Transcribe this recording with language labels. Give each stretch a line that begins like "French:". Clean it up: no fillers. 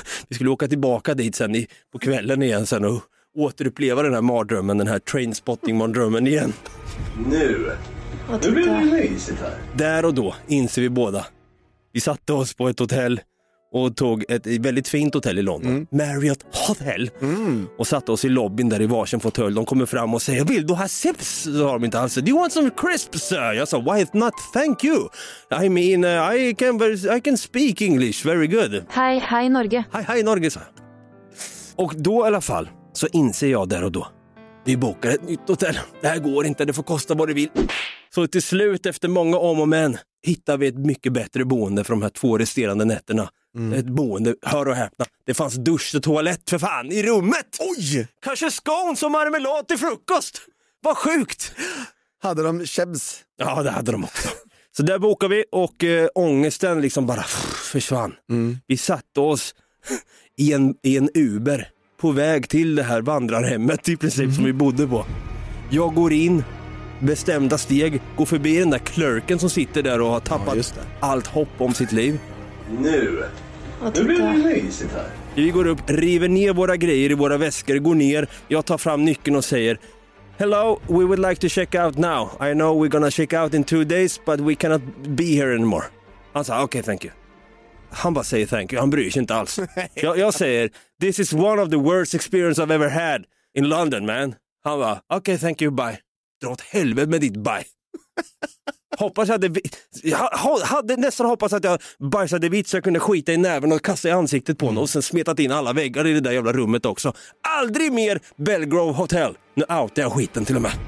Swedish: Vi skulle åka tillbaka dit sen på kvällen igen sen och återuppleva den här mardrömmen, den här trainspotting-mardrömmen igen. Nu blir det mysigt här. Där och då inser vi båda. Vi satte oss på ett hotell och tog ett väldigt fint hotell i London. Mm. Marriott Hotel. Mm. Och satte oss i lobbyn där i varsin fåtölj. De kommer fram och säger, vill du ha chips? Så har de inte alls.
English: Do you want some crisps, sir?
Swedish: Jag sa,
English: why not? Thank you. I mean, I can speak English very good.
Swedish: Hej, hej Norge. Hej, hej Norge, sa jag. Och då i alla fall så inser jag där och då. Vi bokar ett nytt hotell. Det här går inte, det får kosta vad det vill. Så till slut, efter många om och men, hittar vi ett mycket bättre boende för de här två resterande nätterna. Mm. Ett boende, hör och häpna, det fanns dusch och toalett för fan i rummet. Oj! Kanske scones och marmelad till frukost. Vad sjukt. Hade de chebs? Ja, det hade de också. Så där bokade vi och ångesten liksom bara försvann. Mm. Vi satte oss i en Uber på väg till det här vandrarhemmet i princip. Mm. Som vi bodde på. Jag går in, bestämda steg, går förbi den där klerken som sitter där och har tappat allt hopp om sitt liv. Nu blir det mysigt här. Vi går upp, river ner våra grejer i våra väskor, går ner. Jag tar fram nyckeln och säger,
English: hello, we would like to check out now. I know we're gonna check out in 2 days, but we cannot be here anymore.
Swedish: Han sa,
English: okay, thank you.
Swedish: Han bara säger
English: thank you,
Swedish: han bryr sig inte alls. Jag säger,
English: this is one of the worst experiences I've ever had in London, man.
Swedish: Han bara,
English: okay, thank you, bye.
Swedish: Dra åt helvete med ditt bye. Hoppas att jag bajsade vitt så jag kunde skita i näven och kasta i ansiktet på honom och sen smetat in alla väggar i det där jävla rummet också. Aldrig mer Belgrove Hotel. Nu outar jag skiten till och med.